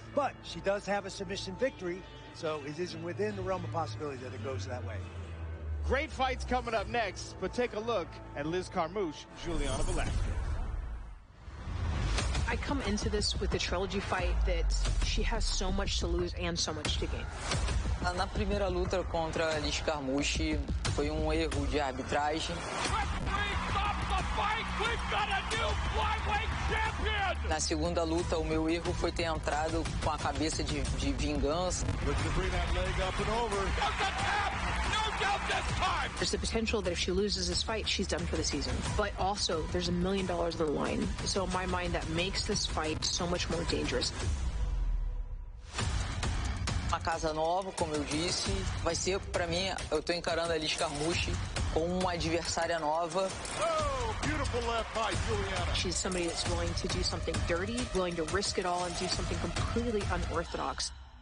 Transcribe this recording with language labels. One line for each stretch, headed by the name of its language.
English: But she does have a submission victory, so it isn't within the realm of possibility that it goes that way. Great fights coming up next, but take a look at Liz Carmouche, Juliana Velasquez. I come into this with the trilogy fight that she has so much to lose and so much to gain.
Portuguese: Na primeira luta contra Liz Carmouche, foi erro de arbitragem. Na segunda luta, o meu erro foi ter entrado com a cabeça de vingança.
English: There's the potential that if she loses this fight, she's done for the season. But also, there's $1 million on the line. So in my mind, that makes this fight so much more dangerous.
Portuguese: Uma casa nova, como eu disse, vai ser para mim. Eu tô encarando a Liz Carmouche como uma adversária nova.
English: She's somebody that's willing to do something dirty, willing to risk it all and do something completely unorthodox.